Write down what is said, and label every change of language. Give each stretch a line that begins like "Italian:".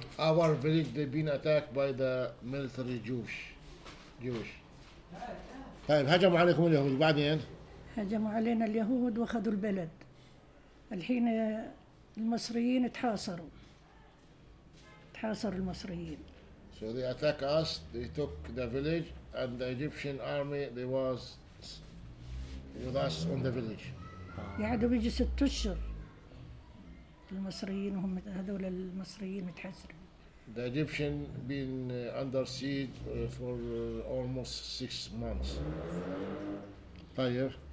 English: Our village they've been attacked by the military Jewish. Jewish.
Arabic: طيب هجموا عليكم اليهود بعدين. هجموا علينا اليهود واخذوا البلد الحين المصريين تحاصروا المصريين
English: so they attack us they took the village and the Egyptian army they was with us on the village
Arabic: يعدوا بيجي ست اشهر المصريين وهم هذول المصريين متحاصرين
English: the Egyptian been under siege for almost 6 months
Arabic: طيب